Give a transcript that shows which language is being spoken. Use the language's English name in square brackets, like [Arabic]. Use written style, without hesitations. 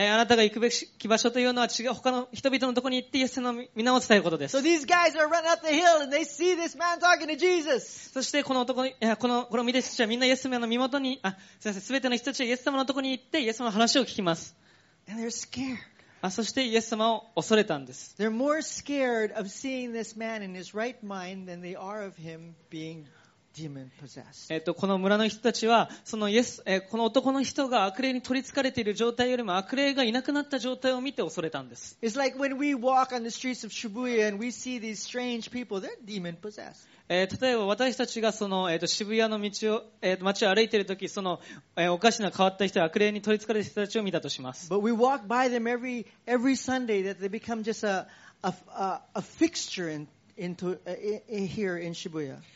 [Japanese] あなたが行くべき場所というのは違う他の人々のところに行ってイエス様の皆を伝えることです。 [English] So these guys are running up the hill and they see this man talking to Jesus. [Japanese] そしてこの男このこの弟子たちはみんなイエス様の身元に、あ、すみません、すべての人たちはイエス様のところに行ってイエス様の話を聞きます。 [English] And they're scared. [Japanese] あ、そしてイエス様を恐れたんです。 [English] They're more scared of seeing this man in his right mind than they are of him being demon possessed. [Japanese] この村の人たちはそのイエス、この男の人が悪霊に取り憑かれている状態よりも悪霊がいなくなった状態を見て恐れたんです。 [English] It's like when we walk on the streets of Shibuya and we see these strange people, they're demon possessed. [Japanese] 例えば私たちがその、渋谷の道を、街を歩いているとき、その、おかしな変わった人、悪霊に取り憑かれた人たちを見たとします。 [English] But we walk by them every Sunday that they become just a fixture in here in Shibuya.